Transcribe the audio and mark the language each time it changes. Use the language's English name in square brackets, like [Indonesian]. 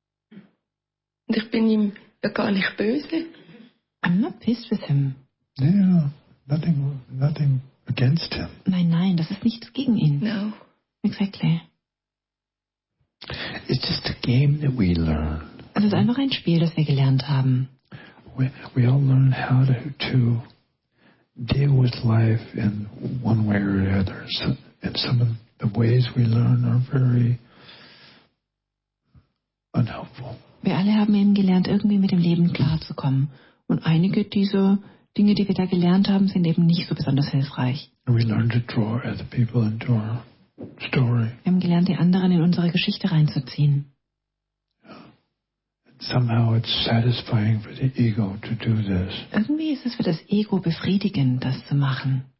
[German] Und ich bin ihm ja gar nicht böse. [English] I'm not pissed with him. Yeah, nothing against him. [German] Nein, das ist nichts gegen ihn. [English] No. Exactly. It's just a game that we learn. [German] Es ist einfach ein Spiel, das wir gelernt haben. [English] We all learn how to deal with life in one way or the other. So, and some of the ways we learn are very unhelpful. [German] Wir alle haben eben gelernt, irgendwie mit dem Leben klarzukommen. Und einige dieser Dinge, die wir da gelernt haben, sind eben nicht so besonders hilfreich. [English] We learn to draw other people into our story. [German] Wir haben gelernt, die anderen in unsere Geschichte reinzuziehen. [English] Somehow it's satisfying for the ego to do this. [German] Irgendwie ist es für das Ego befriedigend, das zu machen.